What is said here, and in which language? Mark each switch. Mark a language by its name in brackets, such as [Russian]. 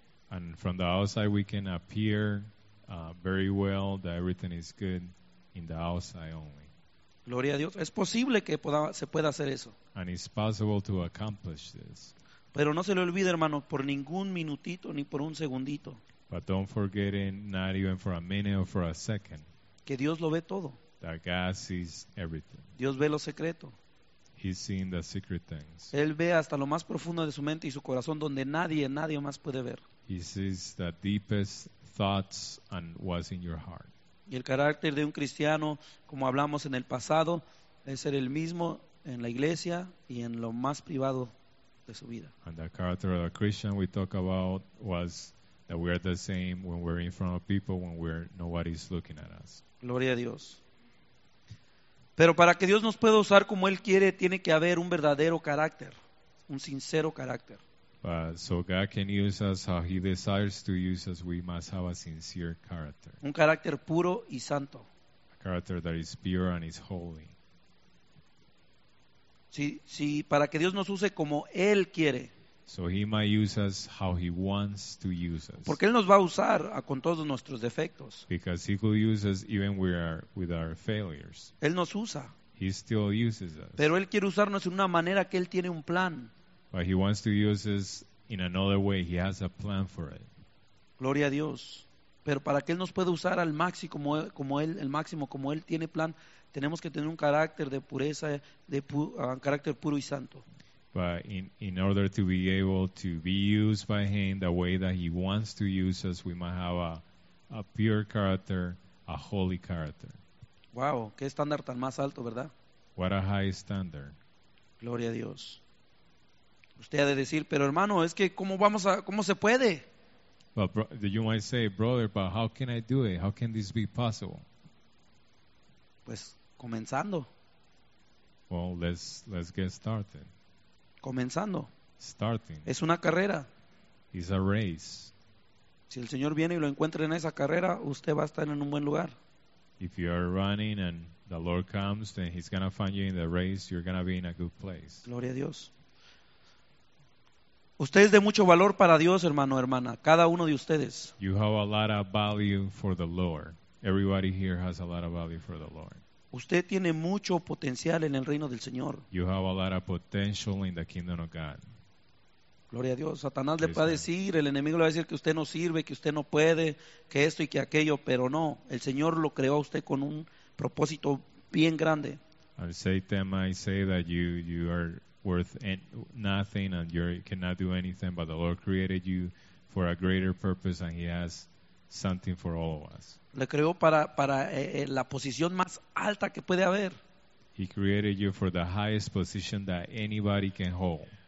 [English] And from the outside we can appear very well, that everything is good in the outside only. [Spanish] Gloria a Dios. Es posible que se pueda hacer eso. [English] And it's possible to accomplish this. [Spanish] Pero no se le olvide, hermano, por ningún minutito ni por un segundito. [English] But don't forget it, not even for a minute or for a second. [Spanish] Que Dios lo ve todo. [English] That God sees everything. [Spanish] Dios ve lo secreto. [English] He's seeing the secret things. [Spanish] Él ve hasta lo más profundo de su mente y su corazón, donde nadie más puede ver. [English] He sees the deepest thoughts and what's in your heart. [Spanish] Y el carácter de un cristiano, como hablamos en el pasado, es ser el mismo en la iglesia y en lo más privado de su vida. [English] And the character of a Christian we talk about was that we are the same when we're in front of people, when we're nobody's looking at us. [Spanish] Gloria a Dios. Pero para que Dios nos pueda usar como Él quiere, tiene que haber un verdadero carácter, un sincero carácter. [English] So God can use us how He desires to use us, we must have a sincere character. [Spanish] Un carácter puro y santo. [English] A character that is pure and is holy. [Spanish] Si para que Dios nos use como Él quiere. [English] So He might use us how He wants to use us. [Spanish] Porque Él nos va a usar con todos nuestros defectos. [English] Because He will use us even with our failures. [Spanish] Él nos usa. [English] He still uses us. [Spanish] Pero Él quiere usarnos en una manera que Él tiene un plan. [English] But He wants to use us in another way. He has a plan for it. [Spanish] Gloria a Dios. Pero para que Él nos pueda usar al máximo como Él tiene plan, tenemos que tener un carácter de pureza, un carácter puro y santo. [English] But in order to be able to be used by Him the way that He wants to use us, we must have a pure character, a holy character. [Spanish] Wow, qué estándar tan más alto, ¿verdad? [English] What a high standard. [Spanish] Gloria a Dios. Usted ha de decir, pero hermano, es que ¿cómo se puede? [English] But you might say, brother, but how can I do it? How can this be possible? [Spanish] Pues, comenzando. [English] Well, let's get started. [Spanish] Comenzando. [English] Starting. [Spanish] Es una carrera. [English] It's a race. [Spanish] Si el Señor viene y lo encuentra en esa carrera, usted va a estar en un buen lugar. [English] If you are running and the Lord comes, then He's going to find you in the race. You're going to be in a good place. [Spanish] Gloria a Dios. Usted es de mucho valor para Dios, hermano, hermana. Cada uno de ustedes. [English] You have a lot of value for the Lord. Everybody here has a lot of value for the Lord. [Spanish] Usted tiene mucho potencial en el reino del Señor. [English] You have a lot of potential in the kingdom of God. [Spanish] Gloria a Dios. Satanás le va a decir, el enemigo le va a decir que usted no sirve, que usted no puede, que esto y que aquello, pero no. El Señor lo creó a usted con un propósito bien grande. [English] And Satan might say that you are worth nothing and you cannot do anything, but the Lord created you for a greater purpose and He has something for all of us. [Spanish] Le creó para la posición más alta que puede haber. [English] He created you for the highest position that anybody can hold.